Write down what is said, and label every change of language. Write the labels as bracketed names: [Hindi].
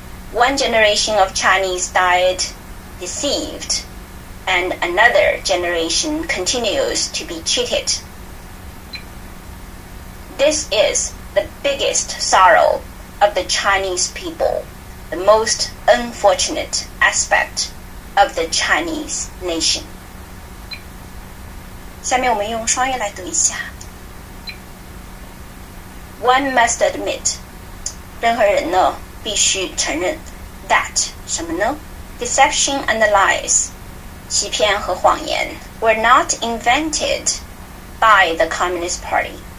[English] One generation of Chinese died deceived, and another generation continues to be cheated. This is the biggest sorrow. Of the Chinese people, the most unfortunate aspect of the Chinese nation. [Chinese] 下面我们用双语来读一下。 [English] One must admit, [Chinese] 任何人呢必须承认 [English] that [Chinese] 什么呢 [English] deception and lies, [Chinese] 欺骗和谎言 [English] were not invented by the Communist Party.